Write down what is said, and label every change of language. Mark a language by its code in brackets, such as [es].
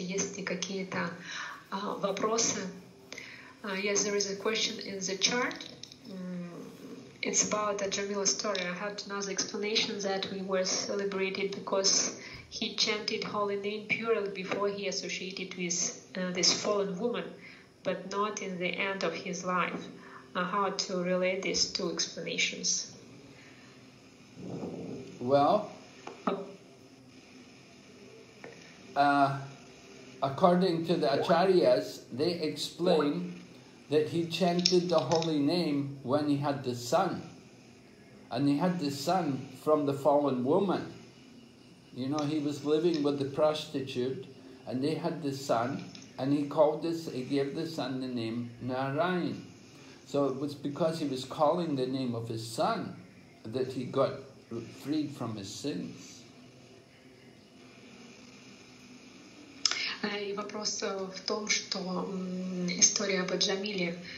[ru] Есть ли какие-то вопросы? [en] Yes, there is a question in the chat. It's about the Jamila story. I have to know the explanation that we were celebrated because he chanted holy name purely before he associated with this fallen woman, but not in the end of his life. How to relate these two explanations? Well, according to the Acharyas, they explain that he chanted the holy name when he had the son, and he had the son from the fallen woman. You know, he was living with the prostitute, and they had the son, and he gave the son the name Narayan. So it was because he was calling the name of his son that he got freed from his sins. [ru] И вопрос в том, что история об Джамиле.